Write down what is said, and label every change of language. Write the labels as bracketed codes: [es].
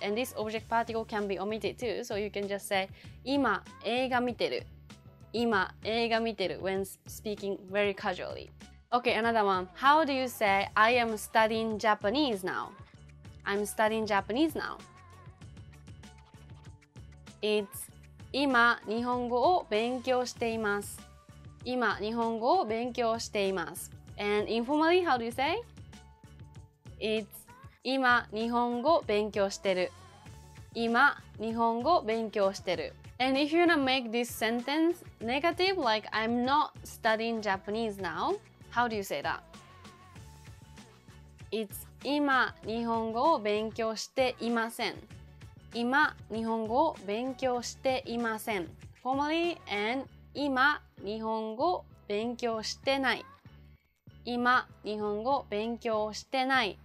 [en] And this object particle can be omitted too. So you can just say [ja] 今映画見てる。今映画見てる [en] when speaking very casually. Okay, another one. How do you say I am studying Japanese now? I'm studying Japanese now. [ja] It's 今日本語を勉強しています。今日本語を勉強しています。 [en] And informally, how do you say? It's [ja] 今日本語勉強してる。今日本語勉強してる。 [en] And if you want to make this sentence negative, like I'm not studying Japanese now, how do you say that? [ja] It's 今日本語を勉強していません。今日本語を勉強していません。 [en] Formally, and [ja] 今日本語勉強してない。今日本語勉強してない。